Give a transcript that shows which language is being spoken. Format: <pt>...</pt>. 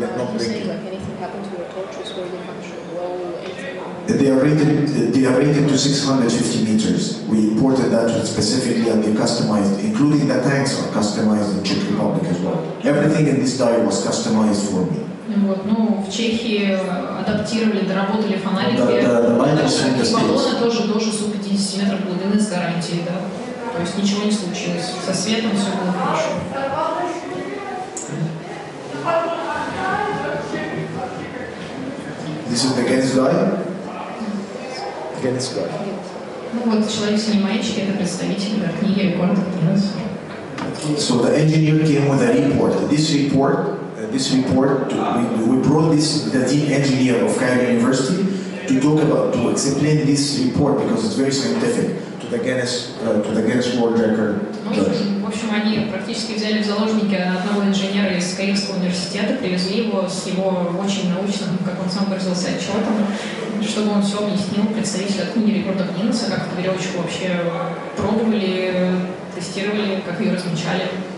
<en>You're saying like anything happened to your torches where you have to blow into? They are rated to 650 meters. We imported that specifically and they customized, including the tanks are customized in Czech Republic as well. Everything in this dive was customized for me.</en> <ru>Вот, ну, в Чехии адаптировали, доработали фонарики, и баллоны тоже до 650 метров глубины с гарантией, да? То есть ничего не случилось. Со светом все было хорошо.</ru> <en>This is the Guinness guy? Guinness guy.</en> <ru>Ну вот, человек с анимаечки, это представитель, да, книги рекордов Guinness.</ru> <en>So the engineer came with a report. This report, we brought this, the dean engineer of Cairo University, to talk about, to explain this report, because it's very scientific, to the Guinness World Record judge.</en> <ru>В общем, они практически взяли в заложники одного инженера из Каирского университета, привезли его с его очень научным, как он сам выразился, отчетом, чтобы он все объяснил представителю от книги рекордов Гиннесса, как эту веревочку вообще пробовали, тестировали, как ее размечали.</ru>